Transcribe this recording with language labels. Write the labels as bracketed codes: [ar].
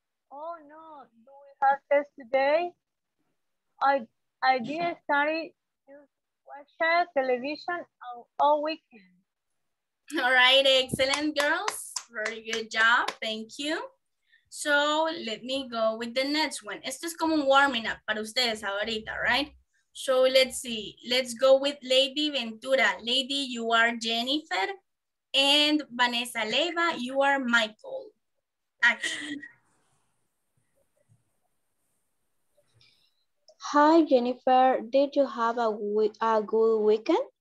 [en] Oh no, do we have tests today? I did study to watch television all weekend. All right, excellent girls. Very good job, thank you. So let me go with the next one. [es] Esto es como un [en] warming up [es] para ustedes ahorita, right? [en] So let's see, let's go with Lady Ventura. Lady, you are Jennifer. And Vanessa Leiva, you are Michael. Action. Hi, Jennifer. Did you have a good weekend?